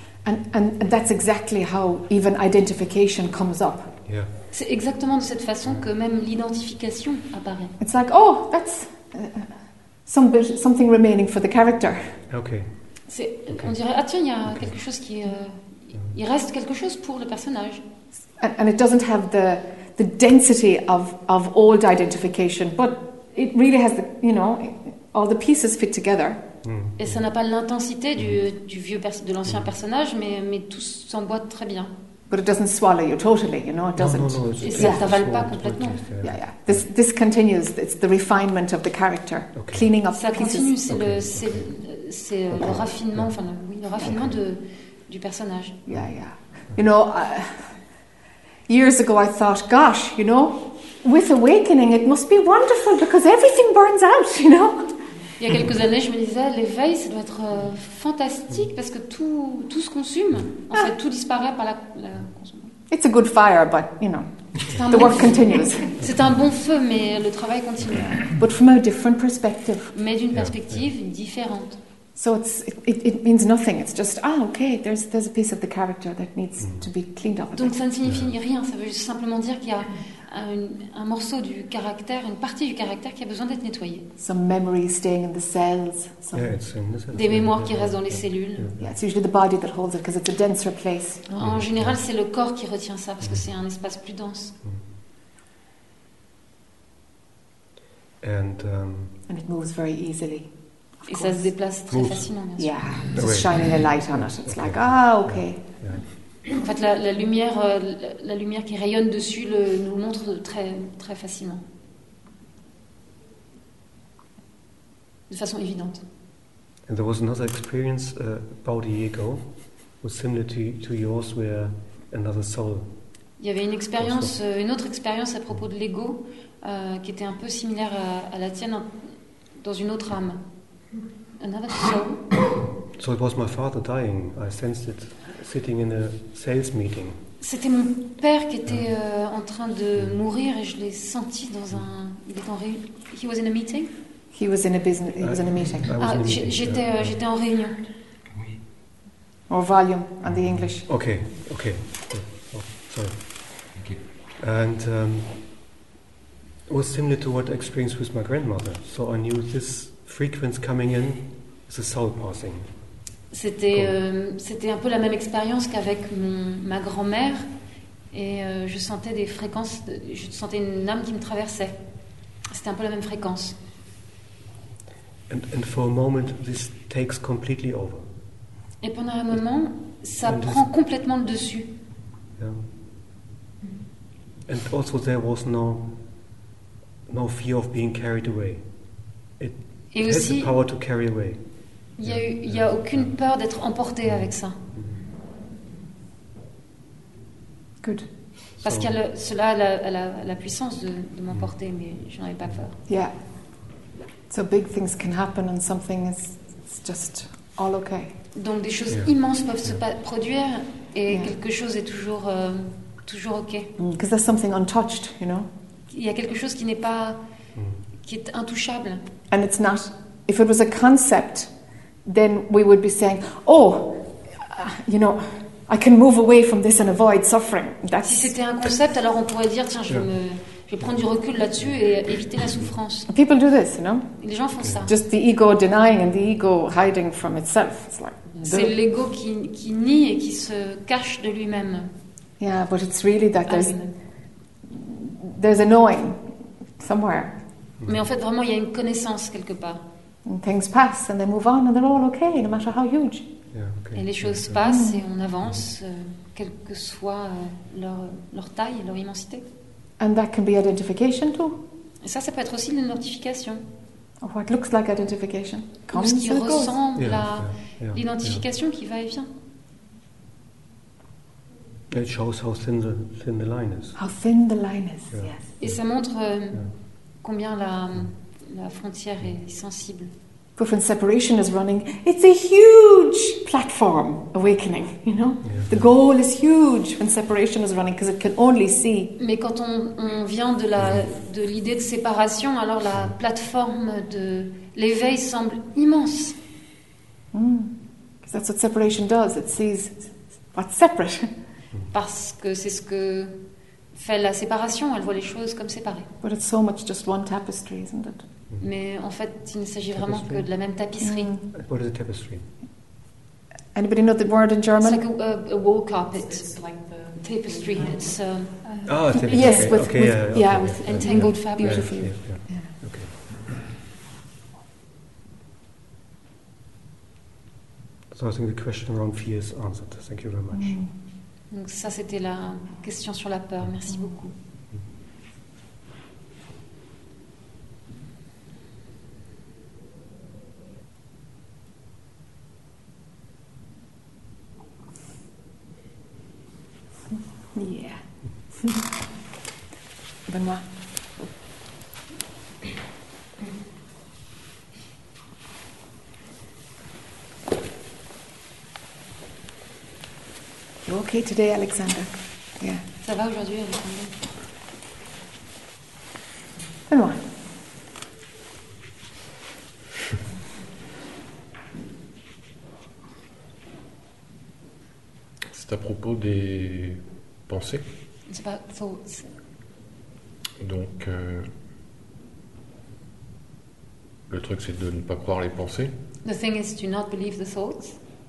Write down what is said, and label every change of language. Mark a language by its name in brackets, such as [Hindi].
[English] And that's exactly how even identification comes up. Yeah. [French] C'est exactement de cette façon que même l'identification apparaît. [English] It's like, oh, that's something remaining for the character. Okay. [French] On dirait, ah tiens, il y a quelque chose qui il reste quelque chose pour le personnage. [English] And it doesn't have the density of old identification, but it really has the, you know, all the pieces fit together. Mm. [French] Et ça n'a pas l'intensité du vieux de l'ancien personnage, mais tout s'emboîte très bien. [English] But it doesn't swallow you totally, you know. It doesn't. No, it's [French] t'avale pas complètement. [English] Yeah, yeah. This continues. It's the refinement of the character, okay. Cleaning up. [French] Ça continue. C'est le raffinement du personnage. [English] Yeah, yeah. You know, years ago I thought, gosh, you know, with awakening it must be wonderful because everything burns out, you know. [French] Il y a quelques années, je me disais, l'éveil, ça doit être fantastique parce que tout se consume. En fait, tout disparaît par la consommation. [English] It's a good fire, but you know, the work continues. [French] C'est un bon feu, mais le travail continue. [English] But from a different perspective. [French] Mais d'une perspective différente. [English] So it means nothing. It's just okay. There's a piece of the character that needs to be cleaned up. [French] Donc ça ne signifie rien. Ça veut juste simplement dire qu'il y a un morceau du caractère, une partie du caractère qui a besoin d'être nettoyée. [English] Some memories staying in the cells. [French] Des mémoires qui restent dans les cellules. [English] Yeah, it's usually the body that holds it because it's a denser place. [French] En général, c'est le corps qui retient ça parce que c'est un espace plus dense. [English] And it moves very easily. [French] Et ça se déplace très facilement. Bien sûr. [English] Yeah, it's just shining a light on it. It's like okay. [French] En fait, la lumière qui rayonne dessus nous le montre très très facilement, de façon évidente. [English] And there was another experience about a year ago, was similar to yours, where another soul. [French] Il y avait une expérience, une autre expérience à propos de l'ego, qui était un peu similaire à la tienne, dans une autre âme. [English] Another soul. So it was my father dying. I sensed it sitting in a sales meeting. [French] C'était mon père qui était en train de mourir et je l'ai senti dans un. Il était en réunion. [English] He was in a meeting. He was in a business. He was in a meeting. [French] J'étais j'étais en réunion. [English] Or volume in the English. Okay. Okay. Oh, sorry. Thank you. And it was similar to what I experienced with my grandmother. So I knew this frequency coming in is a soul passing. [French] C'était c'était un peu la même expérience qu'avec ma grand-mère et je sentais des fréquences. Je sentais une âme qui me traversait. C'était un peu la même fréquence. [English] And for a moment, this takes completely over. [French] Et pendant un moment, ça prend complètement le dessus. [English] Yeah. And also there was no fear of being carried away. It [French] et [English] has [French] aussi, [English] the power to carry away. [French] Il n'y a aucune peur d'être emporté avec ça. [English] Good. [French] Parce so, qu'il y a le, cela a la puissance de m'emporter, mais je n'en ai pas peur. [English] Yeah. So big things can happen and something is it's just all okay. [French] Donc des choses immenses peuvent se produire et quelque chose est toujours toujours ok. [English] Because there's something untouched, you know. [French] Il y a quelque chose qui n'est pas qui est intouchable. [English] And it's not. If it was a concept, then we would be saying, oh, you know, I can move away from this and avoid suffering. [French] Si c'était un concept, alors on pourrait dire, tiens, je vais prendre du recul là-dessus et éviter la souffrance. [English] People do this, you know. [French] Les gens font ça. [English] Just the ego denying and the ego hiding from itself. It's like [French] c'est l'ego qui nie et qui se cache de lui-même. [English] Yeah, but it's really that there's a knowing somewhere. [French] Mais en fait, vraiment, il y a une connaissance quelque part. [English] And things pass and they move on and they're all okay, no matter how huge. Yeah, okay. [French] Et les choses passent et on avance, quelle que soit leur taille, leur immensité. [English] And that can be identification too. [French] Et ça peut être aussi une identification. [English] Or what looks like identification. [French] Ou ce qui ressemble à l'identification qui va et vient. [English] It shows how thin the line is. How thin the line is, yes. [French] Et ça montre combien la frontière est sensible. [English] But when separation is running, it's a huge platform awakening, you know? The goal is huge when separation is running because it can only see. [French] Mais quand on vient de l'idée de séparation, alors la plateforme de l'éveil semble immense. [English] Because that's what separation does. It sees what's separate. [French] Parce que c'est ce que fait la séparation. Elle voit les choses comme séparées. [English] But it's so much just one tapestry, isn't it? [French] Mais en fait, il ne s'agit vraiment que de la même tapisserie. [English] What is a tapestry? Anybody know the word in German? It's like a wall carpet. It's like the tapestry. It's tapestry. Yes, with entangled fabric. Beautiful. Okay. So I think the question around fear is answered. Thank you very much. [French] Donc ça, c'était la question sur la peur. Merci beaucoup. [English] Yeah. Benoît. You okay today, Alexander? Yeah. [French] Ça va aujourd'hui, Alexander? Benoît. C'est à propos des pensées. [English] It's about thoughts. [French] Donc, le truc, c'est de ne pas croire les pensées. [English] The thing is to not believe the thoughts.